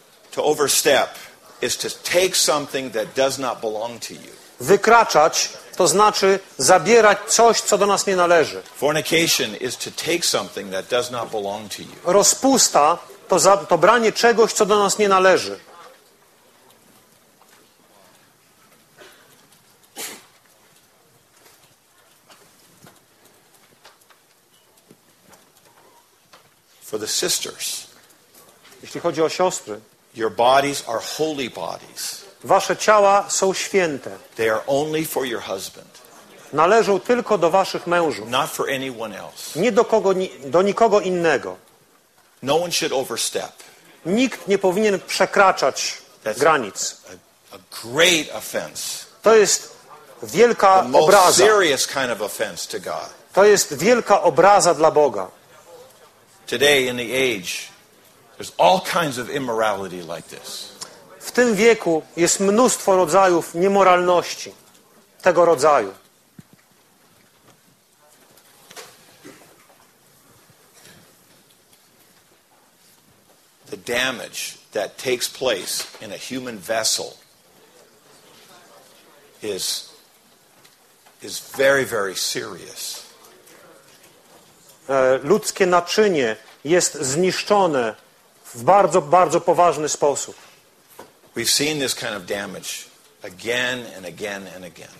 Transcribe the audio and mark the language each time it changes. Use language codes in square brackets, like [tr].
[en] To overstep is to take something that does not belong to you. [pl] Wykraczać to znaczy zabierać coś, co do nas nie należy. [en] Fornication is to take something that does not belong to you. [pl] Rozpusta to branie czegoś, co do nas nie należy. [en] For the sisters. [pl] Jeśli chodzi o siostry, [en] your bodies are holy bodies. [pl] Wasze ciała są święte. [en] They are only for your husband. [pl] Należą tylko do waszych mężów. [en] Not for anyone else. [pl] Nie do nikogo innego. [en] No one should overstep. [pl] Nikt nie powinien przekraczać granic. [en] A great offense. [pl] To jest wielka [en] the most [pl] obraza. [en] Serious kind of offense to God. [pl] To jest wielka obraza dla Boga. [en] Today in the age, there's all kinds of immorality like this. [pl] W tym wieku jest mnóstwo rodzajów niemoralności tego rodzaju. [en] The damage that takes place in a human vessel is very, very serious. [pl] Ludzkie naczynie jest zniszczone w bardzo, bardzo poważny sposób. [en] We've seen this kind of damage again and again and again.